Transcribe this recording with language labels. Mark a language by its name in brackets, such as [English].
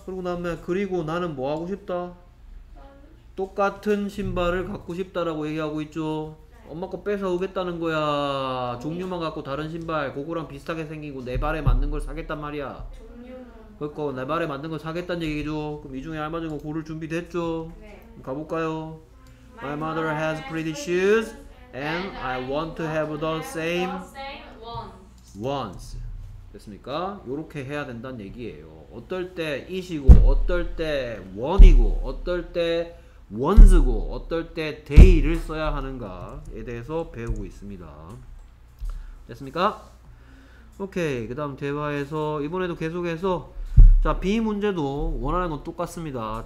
[Korean] 그리고 나는 뭐 하고 싶다? 똑같은 신발을 갖고 싶다라고 얘기하고 있죠. 엄마 거 뺏어 오겠다는 거야. 종류만 갖고 다른 신발, 그거랑 비슷하게 생기고 내 발에 맞는 걸 사겠단 말이야. 그거 내 발에 맞는 걸 사겠다는 얘기죠. 그럼 이 중에 알맞은 거 고를 준비 됐죠? 가볼까요? [English] My mother has pretty shoes. And I want to have the same ones. [Korean] 됐습니까? 요렇게 해야 된다는 얘기예요. 어떨 때 is이고, 어떨 때 one이고, 어떨 때 ones고, 어떨 때 they를 써야 하는가에 대해서 배우고 있습니다. 됐습니까? 오케이. 그 다음 대화에서 이번에도 계속해서 자, B 문제도 원하는 건 똑같습니다.